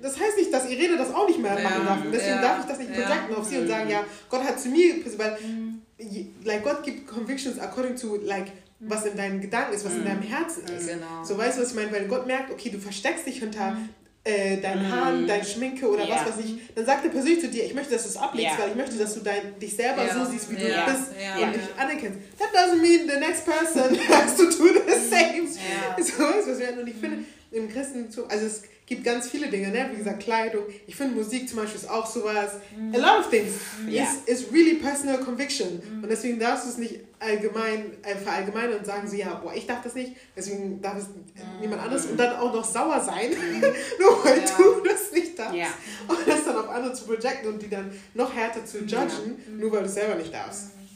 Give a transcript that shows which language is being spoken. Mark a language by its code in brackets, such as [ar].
[de] Das heißt nicht, dass Irene das auch nicht mehr machen darf. Deswegen darf ich das nicht projecten auf sie und sagen, ja, Gott hat zu mir, weil like, Gott gibt Convictions [en] according to, like, [de] was in deinen Gedanken ist, was in deinem Herzen ist. Genau. So, weißt du, was ich meine? Weil Gott merkt, okay, du versteckst dich hinter deinen Haaren, deine Schminke oder was weiß ich, dann sagt er persönlich zu dir, ich möchte, dass du es ablegst, weil ich möchte, dass du dich selber so siehst, wie du bist und dich anerkennst. [en] That doesn't mean the next person has to do the same. [de] So was, was wir und ich finde, im Christentum, also es gibt ganz viele Dinge, ne? Wie gesagt, Kleidung, ich finde Musik zum Beispiel ist auch sowas. [en] A lot of things is really personal conviction. [de] Und deswegen darfst du es nicht allgemein verallgemeinern und sagen, so ja, boah, ich dachte das nicht, deswegen darf es niemand anders und dann auch noch sauer sein, nur weil du das nicht darfst. [en] Yeah. [de] Und das dann auf andere zu projecten und die dann noch härter zu judgen, nur weil du selber nicht darfst.